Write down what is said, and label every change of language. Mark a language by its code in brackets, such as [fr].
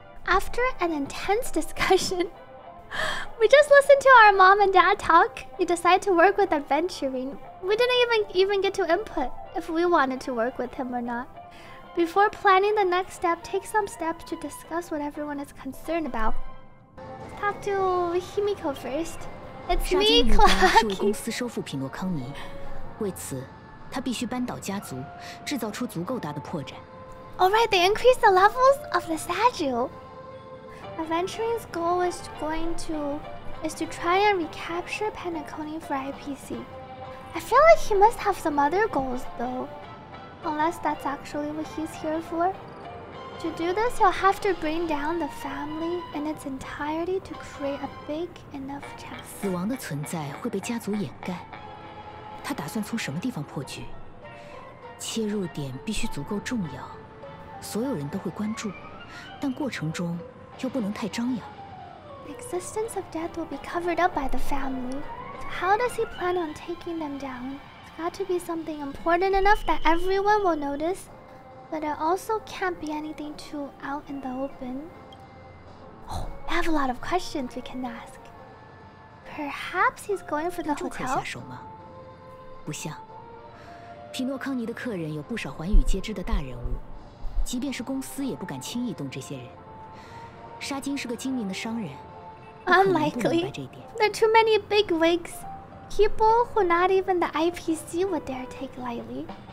[en] After an intense discussion, we just listened to our mom and dad talk. You decide to work with Aventurine. We didn't even get to input if we wanted to work with him or not. Before planning the next step, take some steps to discuss what everyone is concerned about. Talk to Himiko first. It's me, Clark. [zh] 杀进一般是为公司收复匹诺康尼，为此，他必须扳倒家族，制造出足够大的破绽。 [en] All right, they increase the levels of the statue. Aventurine's goal is to try and recapture Penacony for IPC. I feel like he must have some other goals though, unless that's actually what he's here for. To do this, he'll have to bring down the family in its entirety to create a big enough chance. [zh] 死亡的存在会被家族掩盖。他打算从什么地方破局？切入点必须足够重要，所有人都会关注，但过程中又不能太张扬。 [en] The existence of death will be covered up by the family. How does he plan on taking them down? It's got to be something important enough that everyone will notice, but it also can't be anything too out in the open. Oh, I have a lot of questions we can ask. Perhaps he's going for the hotel? [zh] 住客下手吗？不像。皮诺康尼的客人有不少寰宇皆知的大人物，即便是公司也不敢轻易动这些人。沙金是个精明的商人，不可能不明白这一点。 [en] There are too many big wigs. People who not even the IPC would dare take lightly.